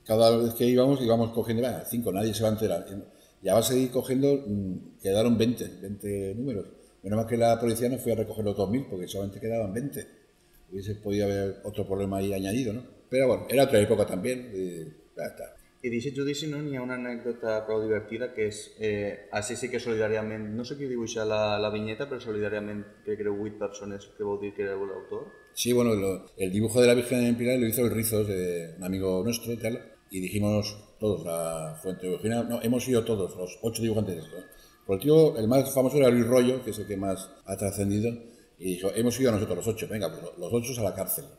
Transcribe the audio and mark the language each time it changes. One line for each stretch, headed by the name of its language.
Spanish: Cada vez que íbamos cogiendo, 5, nadie se va a enterar. Ya va a seguir cogiendo, quedaron 20 números. Menos mal que la policía no fue a recoger los 2.000 porque solamente quedaban 20. Hubiese podido haber otro problema ahí añadido, ¿no? Pero bueno, era otra época también, y ya está.
Catalan: I d'aquest judici no n'hi ha una anècdota prou divertida, que és, així sí que solidàriament, no sé qui dibuixa la vinyeta, però solidàriament crec que éreu 8 persones, que vol dir que éreu l'autor.
Spanish: Sí, bueno, el dibujo de la Virgen en Pilar lo hizo el Rizos, un amigo nuestro y tal, y dijimos todos, la fuente original, no, hemos ido todos, los 8 dibujantes, ¿no? Por el tío, el más famoso era Luis Royo, que es el que más ha trascendido, y dijo, hemos ido nosotros los 8, venga, pues los 8 a la cárcel.